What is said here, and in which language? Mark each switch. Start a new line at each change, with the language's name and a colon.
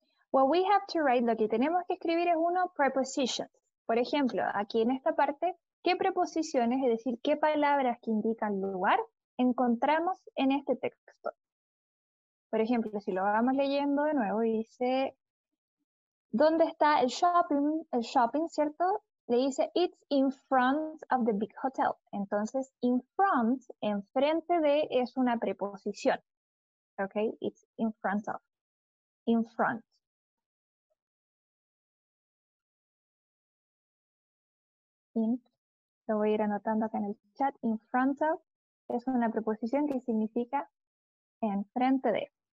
English: What we have to write,
Spanish: lo que tenemos que escribir es uno, prepositions. Por ejemplo, aquí en esta parte, ¿qué preposiciones, es decir, qué palabras que indican lugar, encontramos en este texto? Por ejemplo, si lo vamos leyendo de nuevo, dice, ¿dónde está el shopping? El shopping, ¿cierto? Le dice,
English: it's in front of the big hotel.
Spanish: Entonces, in front, enfrente de, es una preposición. ¿Ok?
English: It's in front of. In front.
Spanish: In, lo voy a ir anotando acá en el chat. In front of es una preposición que significa enfrente de.